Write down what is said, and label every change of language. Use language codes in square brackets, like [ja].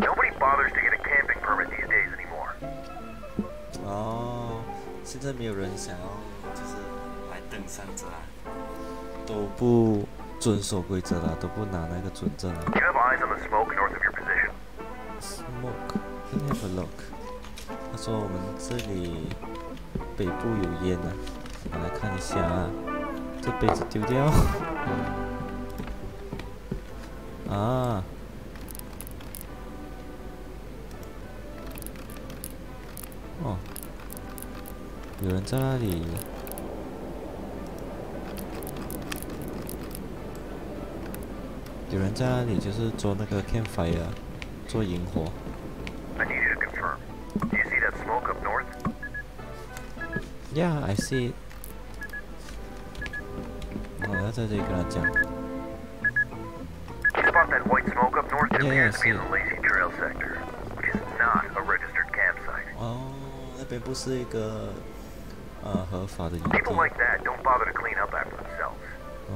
[en] Nobody bothers to get a camping permit these days anymore. [zh] Oh, 现在没有人想要就是来登山者啊，都不遵守规则了，都不拿那个准证了。 [en] Do you have eyes on the smoke north of your position? Smoke? Can you have a look? [zh] 他说我们这里北部有烟啊。我来看一下，这杯子丢掉。啊！哦，有人在那里。有人在那里，就是做那个 campfire， 做萤火。 [en] I need you to confirm. Do you see that smoke up north? Yeah, I see. [zh] 在这里跟他讲。 [en] You spot that white smoke up north? It appears to be in the Lazy Trail sector, which is not a registered campsite. [zh] 哦，那边不是一个合法的营地。 [en] People like that don't bother to clean up after themselves.